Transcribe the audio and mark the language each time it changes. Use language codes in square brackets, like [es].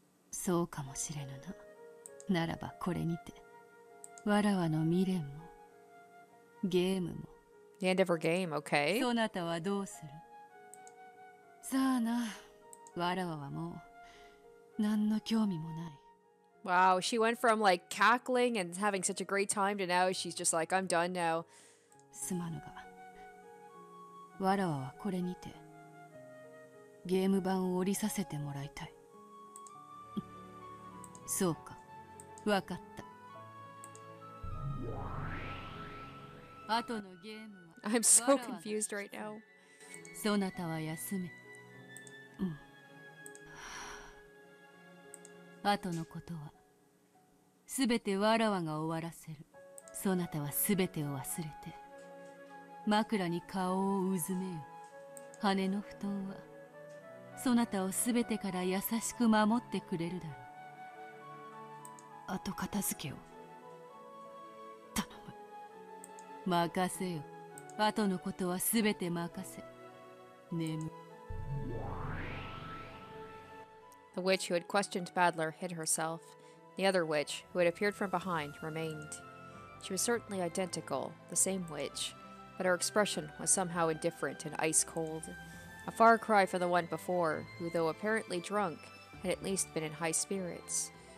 [ja] そうかもしれぬな。ならばこれにて、わらわの未練も、ゲームも。 [en] The end of her game, okay? [ja] そなたはどうする? さあな、わらわはもう、何の興味もない。 [en] Wow, she went from like cackling and having such a great time to now she's just like, I'm done now. [ja] すまぬが、わらわはこれにてゲーム版を降りさせてもらいたい。そうか、わかった。あとのゲームは、 [en] I'm so confused right now. [ja] そなたは休め。あとのことは。すべてわらわが終わらせる。そなたはすべてを忘れて枕に顔をうずめよ。羽の布団はそなたをすべてから優しく守ってくれるだろう。あと片付けを頼む。任せよ。あとのことはすべて任せ。眠。 [en] The witch who had questioned Badler hid herself. The other witch, who had appeared from behind, remained. She was certainly identical, the same witch, but her expression was somehow indifferent and ice cold. A far cry from the one before, who, though apparently drunk, had at least been in high spirits.